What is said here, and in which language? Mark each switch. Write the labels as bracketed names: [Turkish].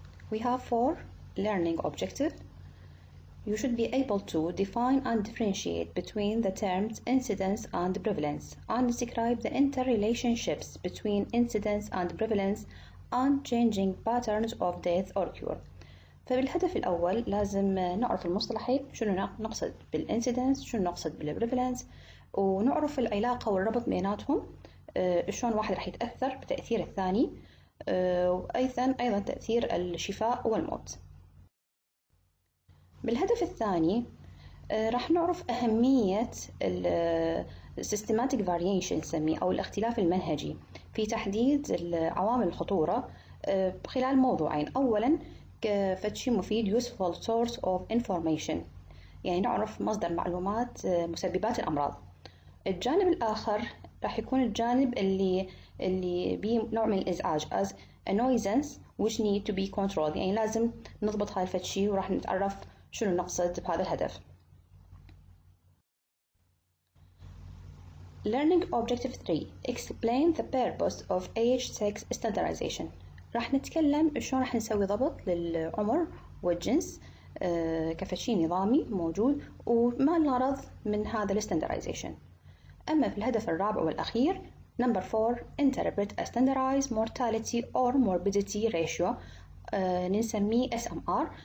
[English] We have 4 learning objectives. You should be able to define and differentiate between the terms incidence and prevalence and describe the interrelationships between incidence and prevalence and changing patterns of death or cure. [Arabic] فبالهدف الأول لازم نعرف المصطلحين، شنو نقصد بالincidence، شنو نقصد بالprevalence، ونعرف العلاقة والربط بيناتهم، شلون واحد راح يتأثر بتأثير الثاني، وأيضا تأثير الشفاء والموت. بالهدف الثاني راح نعرف أهمية systematic variation نسميه أو الاختلاف المنهجي في تحديد عوامل الخطورة خلال موضوعين، أولا كفتشي مفيد [English] useful source of information، [Arabic] يعني نعرف مصدر معلومات مسببات الأمراض. الجانب الآخر راح يكون الجانب اللي بيه نوع من الإزعاج [English] as a nuisance which need to be controlled، [Arabic] يعني لازم نضبط هاي الفتشي وراح نتعرف شنو نقصد بهذا الهدف. [English] Learning Objective 3 Explain the purpose of age-sex standardization. [Arabic] راح نتكلم شلون راح نسوي ضبط للعمر والجنس كفتشي نظامي موجود وما الغرض من هذا الستاندرايزيشن. أما في الهدف الرابع والأخير [English] Number 4 Interpret a standardized mortality or morbidity ratio [Arabic] نسميه SMR.